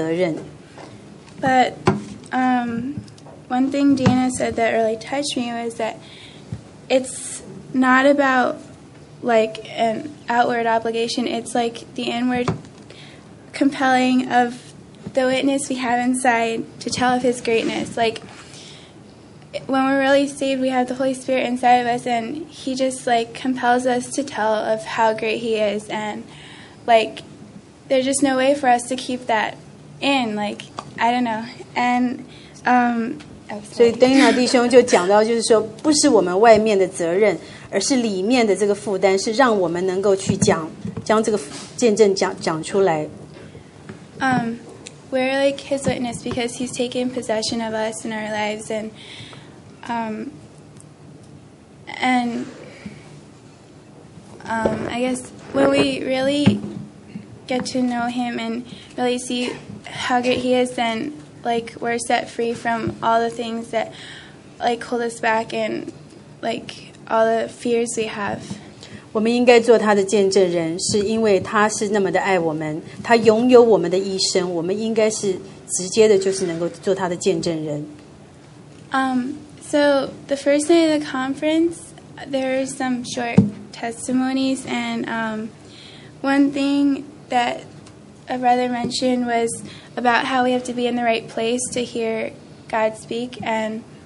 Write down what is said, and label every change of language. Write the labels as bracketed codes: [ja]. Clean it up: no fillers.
[zh] 在这以前，我每次想到要为主做见证，我总是觉得这是我的责任，因为每当想到主为我钉十字架，他为我舍了命，我就觉得我应该做见证，因为这是我的责任。 [en] But one thing Dana said that really touched me was that it's not about like an outward obligation. It's like the inward compelling of the witness we have inside to tell of his greatness. Like, when we're really saved, we have the Holy Spirit inside of us, and he just, like, compels us to tell of how great he is. And, like, there's just no way for us to keep that in. Like, I don't know. And, So [zh] Dana弟兄就讲到，就是说，不是我们外面的责任，而是里面的这个负担，是让我们能够去讲，将这个见证讲出来。 [en] We're like his witness because he's taken possession of us in our lives, and I guess when we really get to know him and really see how great he is, then like we're set free from all the things that like hold us back and like all the fears we have. [zh] 我们应该做他的见证人，是因为他是那么的爱我们，他拥有我们的一生，我们应该是直接的，就是能够做他的见证人。 [en] So the first night of the conference, there are some short testimonies, and one thing that a brother mentioned was about how we have to be in the right place to hear God speak, and.